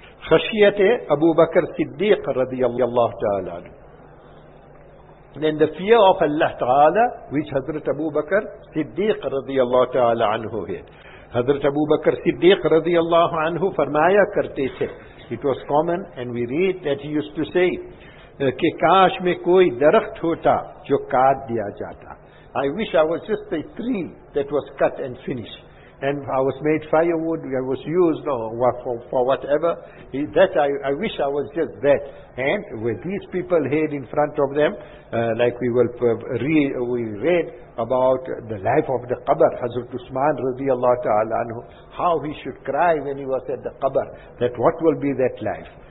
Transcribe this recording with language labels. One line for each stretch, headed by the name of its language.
Arabic: خَشْيَةِ أَبُو بَكَرْ صِدِّيقَ رَضِيَ اللَّهُ تَعَالَى.
English: Then the fear of Allah Ta'ala, which Hazrat Abu Bakr Siddiq radiyallahu ta'ala anhu had. Hazrat Abu Bakr Siddiq radiyallahu anhu
Urdu: farmaya karte se.
English: It was common, and we read that he used to say,
Urdu: کہ کاش میں کوئی درخت ہوتا جو کاٹ دیا جاتا.
English: I wish I was just a tree that was cut and finished. And I was made firewood, I was used for whatever. I wish I was just that. And with these people here in front of them, like we read about the life of the Qabr, Hazrat Usman radiallahu ta'ala anhu, how he should cry when he was at the Qabr, that what will be that life.